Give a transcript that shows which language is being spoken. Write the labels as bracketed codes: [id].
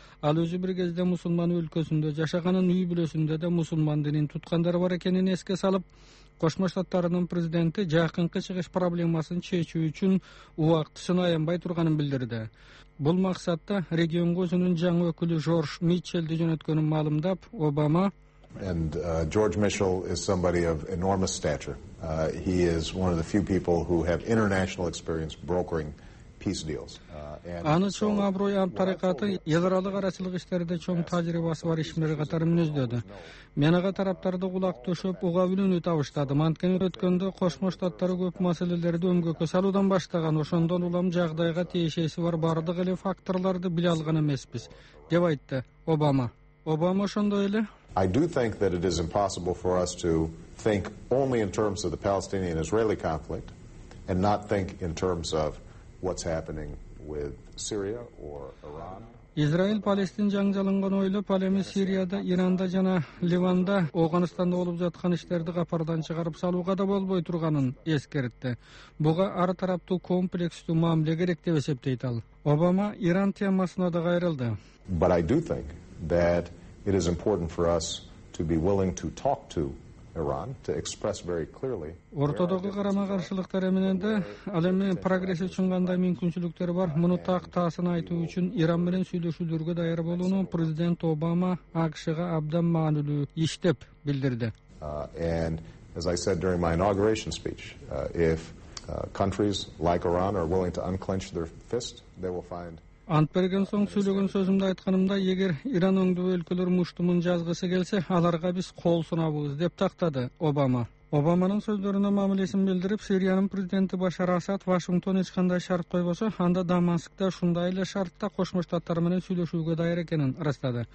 [ky] Ал өзү бир кезде мусулман өлкөсүндө жашаганын, үй бүлөсүндө да мусулман динин туткандары бар экенин эске салып, Кошмо Штаттарынын президенти жакынкы чыгыш проблемасын чечүү үчүн убактысын аянбай турганын билдирди. Бул максатта регионго өзүнүн жаңы өкүлү Жорж Митчелди жөнөткөнүн маалымдап, Обама [en] George Mitchell is somebody of enormous stature. He is one of the few people who have international experience brokering peace deals. [ky] Аны чоң аброй тарыкаты эл аралык арасылык иштерде чоң тажрыйбасы бар ишмер катары мүнөздөдү. Мен ага тараптарды кулак төшөп, уга билүүнү табыштадым. Анткени өткөндө Кошмо Штаттары көп маселелерди өмгөккө салуудан баштаган, ошондон улам жагдайга тиешеси бар бардык эле факторлорду биле алган эмеспиз, деп айтты Обама. Обама ошондой эле [en] I do think that it is impossible for us to think only in terms of the Palestinian-Israeli conflict and not think in terms of what's happening with Syria or Iran. [ky] Израил Палестин жаңжалынган ойлоп, ал эми Сирияда, Иранда жана Ливанда, Ооганстанда болуп жаткан иштерди капардан чыгарып салууга да болбой турганын эскертти. Буга ар тараптуу комплекстүү мамиле керек деп эсептейт ал. Обама Иран темасына да кайрылды. [en] But I do think that it is important for us to be willing to talk to Iran to express very clearly. [ky] Ортодогу карама-каршылыктары менен да ал эми прогресс үчүн кандай мүмкүнчүлүктөр бар, муну так таасын айтуу үчүн Иран менен сүйлөшүүлөргө даяр болууну президент Обама АКШга абдан маанилүү иш деп билдирди. [en] And as I said during my inauguration speech, if countries like Iran are willing to unclench their fist, they will find. [ky] Ант берген соң сүйлөгөн сөзүмдө айтканымда, эгер Иран өңдүү өлкөлөр муштумун жазгысы келсе, аларга биз кол сунабыз, деп тактады Обама. Обаманын сөздөрүнө мамилесин билдирип, Сириянын президенти Башар Асад Вашингтон эч кандай шарт койбосо, анда Дамаскта ушундай эле шартта Кошмо Штаттар менен сүйлөшүүгө даяр экенин ырастады.